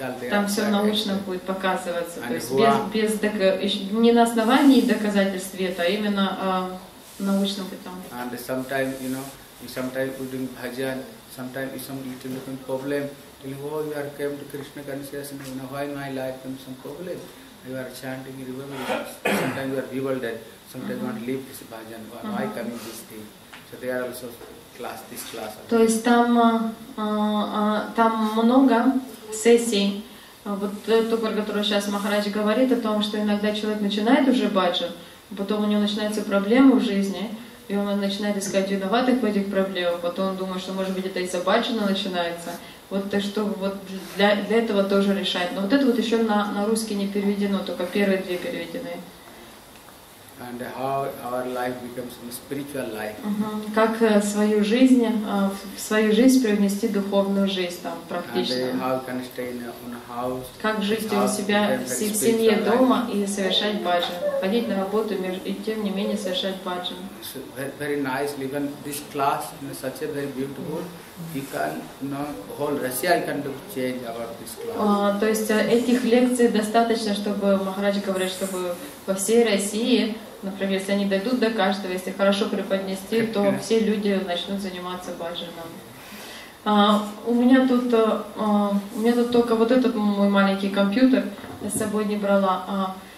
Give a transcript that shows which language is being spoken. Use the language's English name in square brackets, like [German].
[Russian] Там все научно будет показываться, то есть не на основании доказательств света, а именно научно потом. [English] And sometimes, you know, sometimes we doing bhajan, sometimes is some little different problem. Till you are came to Krishna consciousness, you know, why my life comes some problem? You are chanting, you remember, sometimes you are bewildered, sometimes you want to leave this bhajan, why coming this thing? So they are also class, this class. [Russian] То есть там, там много сессий. Вот то, про которое сейчас Махарадж говорит, о том, что иногда человек начинает уже бхаджан, потом у него начинаются проблемы в жизни, и он начинает искать виноватых в этих проблемах, потом он думает, что может быть это из-за бхаджана начинается. Вот так что вот для, для этого тоже решать. Но вот это вот еще на русский не переведено, только первые две переведены. [English] And how our life becomes a spiritual life. [Russian] Как свою жизнь, в свою жизнь привнести духовную жизнь там практически. [English] And how can stay in a house. [Russian] Как жить у себя в семье дома и совершать баджан. Ходить на работу и тем не менее совершать баджан. [English] So very nicely, even this class is such a very beautiful. We can, you know, whole Russia can do change about this class. [Russian] То есть этих лекций достаточно, чтобы Махарадж говорит, чтобы во всей России, например, если они дойдут до каждого, если хорошо преподнести, то все люди начнут заниматься бхаджаном. У меня тут только вот этот мой маленький компьютер я с собой не брала.